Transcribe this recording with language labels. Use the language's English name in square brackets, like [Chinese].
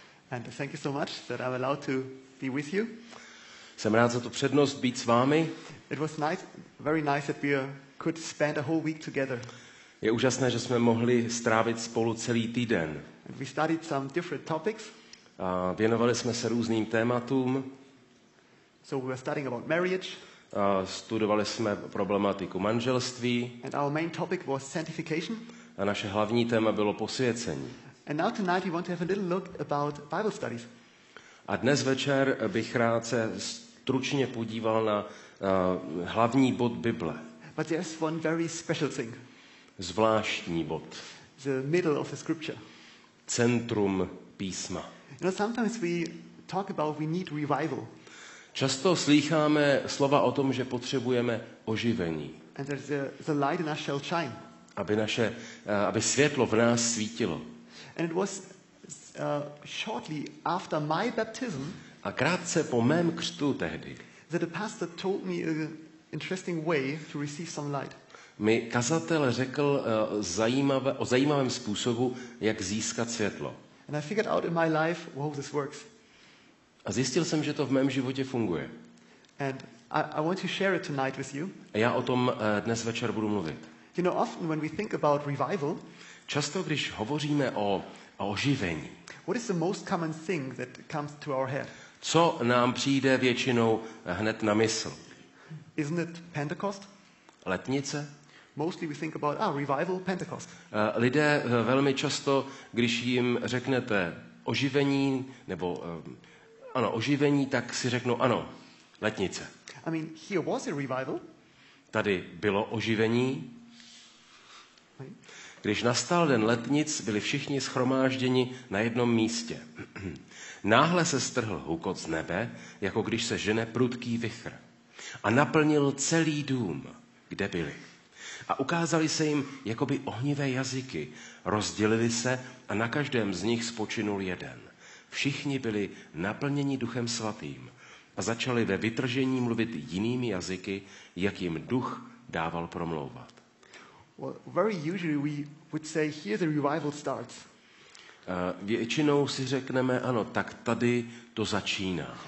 [English] And thank you so much that I'm allowed to be with you. [Czech] Jsem rád za tu přednost být s vámi. [English] It was nice, very nice that we could spend a whole week together. [Czech] Je úžasné, že jsme mohli strávit spolu celý týden. [English] And we studied some different topics. [Czech] A věnovali jsme se různým tématům. [English] So we were studying about marriage. [Czech] A studovali jsme problematiku manželství. [English] And our main topic was sanctification. [Czech] A naše hlavní téma bylo posvěcení. [English] And now tonight we want to have a little look about Bible studies. [Czech] A dnes večer bych rád se stručně podíval na hlavní bod Bible. [English] But there's one very special thing. [Czech] Zvláštní bod. [English] The middle of the scripture. [Czech] Centrum písma. [English] You know, sometimes we talk about we need revival. [Czech] Často slýcháme slova o tom, že potřebujeme oživení. [English] And that the light in us shall shine. [Czech] Aby světlo v nás svítilo. [English] And it was shortly after my baptism. [Czech] A krátce po mém křtu tehdy. [English] That the pastor told me an interesting way to receive some light. [Czech] Mi kazatel řekl o zajímavém způsobu, jak získat světlo. [English] And I figured out in my life how this works. [Czech] A zjistil jsem, že to v mém životě funguje. [English] And I want to share it tonight with you. [Czech] A já o tom dnes večer budu mluvit. [English] You know, often when we think about revival, [Czech] často když hovoříme o oživení, [English] what is the most common thing that comes to our head? [Czech] Co nám přijde většinou hned na mysl? [English] Isn't it Pentecost? [Czech] Letnice? [English] Mostly we think about revival, Pentecost. [Czech] Lidé velmi často, když jim řeknete oživení nebo ano, oživení, tak si řeknou ano, letnice. [English] I mean, here was a revival. [Czech] Tady bylo oživení. Když nastal den letnic, byli všichni shromážděni na jednom místě. Náhle se strhl hukot z nebe, jako když se žene prudký vichr. A naplnil celý dům, kde byli. A ukázali se jim jakoby ohnivé jazyky. Rozdělili se a na každém z nich spočinul jeden. Všichni byli naplněni Duchem Svatým a začali ve vytržení mluvit jinými jazyky, jak jim Duch dával promlouvat. [English] Well, very usually we would say here the revival starts. [Czech] Většinou si řekneme ano, tak tady to začíná.